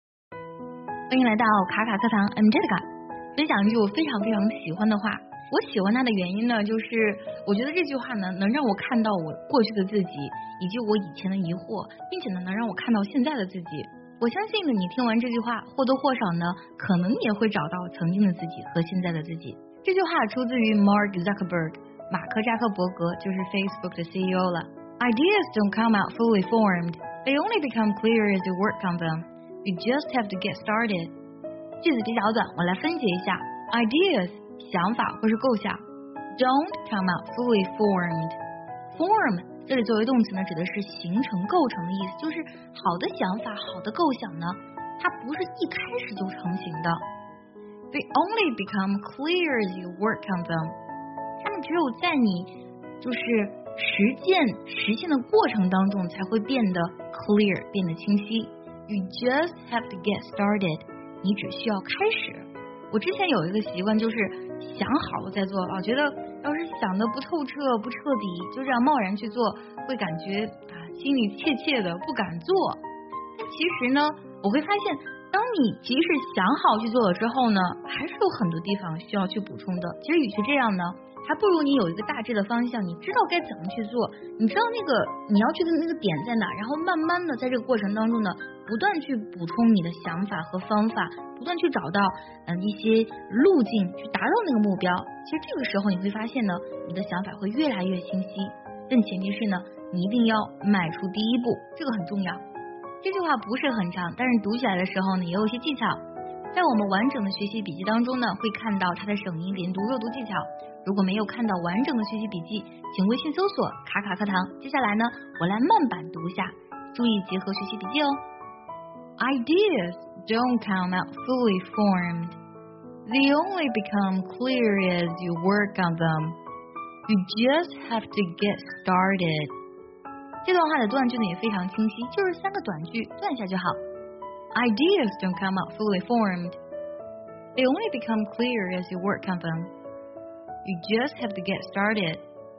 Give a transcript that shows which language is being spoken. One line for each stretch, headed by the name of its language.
Chinese: 欢迎来到卡卡课堂 ，
English: I'm Jessica。
Chinese: 分享一句我非常非常喜欢的话，我喜欢它的原因呢，就是我觉得这句话呢，能让我看到我过去的自己，以及我以前的疑惑，并且呢，能让我看到现在的自己。我相信呢，你听完这句话，或多或少呢，可能也会找到曾经的自己和现在的自己。这句话出自于 Mark Zuckerberg， 马克扎克伯格，就是 Facebook 的 CEO 了。
English: Ideas don't come out fully formed; they only become clear as you work on them. You just have to get started.
Chinese: 句子比较短，我来分解一下。Ideas, 想法或是构想。
English: Don't come out fully formed.
Chinese: Form, 这里作为动词呢，指的是形成、构成的意思，就是好的想法、好的构想呢，它不是一开始就成型的。
English: They only become clear as you work on them.
Chinese: 它们只有在你就是实现的过程当中才会变得 clear, 变得清晰。
English: You just have to get started.
Chinese: 你只需要开始。我之前有一个习惯，就是想好了再做。我觉得要是想的不透彻、不彻底，就这样贸然去做，会感觉啊心里怯怯的，不敢做。但其实呢，我会发现，当你即使想好去做了之后呢，还是有很多地方需要去补充的。其实与其这样呢，还不如你有一个大致的方向，你知道该怎么去做，你知道那个你要去的那个点在哪，然后慢慢的在这个过程当中呢，不断去补充你的想法和方法，不断去找到一些路径去达到那个目标。其实这个时候你会发现呢，你的想法会越来越清晰，但前提是呢，你一定要迈出第一步，这个很重要。这句话不是很长，但是读起来的时候呢，也有一些技巧。在我们完整的学习笔记当中呢，会看到它的省音连读弱读技巧。如果没有看到完整的学习笔记，请微信搜索卡卡课堂。接下来呢，我来慢版读一下，注意结合学习笔记哦。
English: Ideas don't come out fully formed. They only become clear as you work on them. You just have to get started.
Chinese: 这段话的断句呢也非常清晰，就是三个短句断下就好。
English: Ideas don't come out fully formed. They only become clear as you work on them. You just have to get started.